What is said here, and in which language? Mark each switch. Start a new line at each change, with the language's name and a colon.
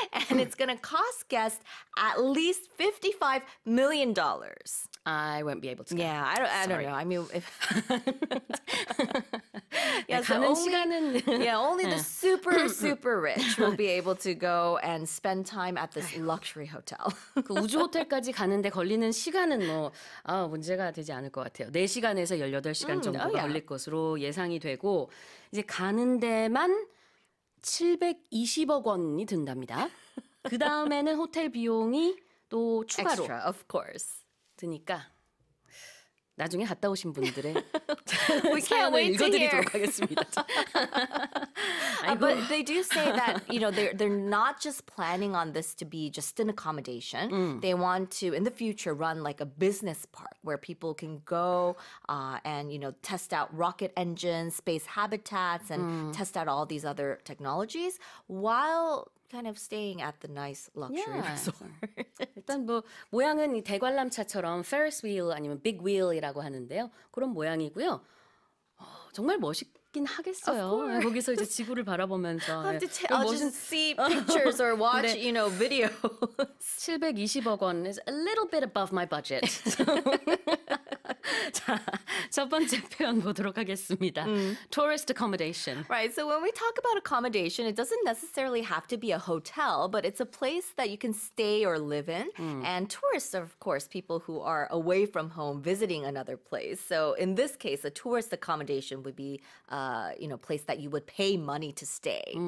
English: And it's going to cost guests at least $55 million. I won't be able to go. Yeah, I don't know. I mean, if... only the super, super rich will be able to go and spend time at this luxury hotel.
Korean: 그 우주 호텔까지 가는데 걸리는 시간은 뭐 문제가 되지 않을 것 같아요. 4시간에서 18시간 정도
English: oh, yeah.
Korean: 걸릴 것으로 예상이 되고 이제 가는 데만 720억 원이 든답니다. 그 다음에는 호텔 비용이 또 추가로
English: Extra, of course.
Korean: 드니까 나중에 갔다 오신 분들의
English: We can't
Korean: 사연을
English: wait
Korean: 읽어드리도록 하겠습니다.
English: But they do say that, you know, they're not just planning on this to be just an accommodation. Mm. They want to, in the future, run like a business park where people can go and, you know, test out rocket engines, space habitats, and test out all these other technologies while kind of staying at the nice luxury yeah. resort.
Korean: 일단 뭐 모양은 이 대관람차처럼 Ferris wheel 아니면 big wheel이라고 하는데요. 그런 모양이고요. 정말 멋있고 하겠어요.
English: Of course.
Korean: 거기서 이제 지구를 바라보면서
English: I'll just see pictures or watch, you know, videos. 720억 원 is a little bit above my budget.
Korean: So. 자, 첫 번째 표현 보도록 하겠습니다.
English: Mm. Tourist accommodation. Right, so when we talk about accommodation, it doesn't necessarily have to be a hotel, but it's a place that you can stay or live in. Mm. And tourists are, of course, people who are away from home visiting another place. So in this case, a tourist accommodation would be you know, place that you would pay money to stay.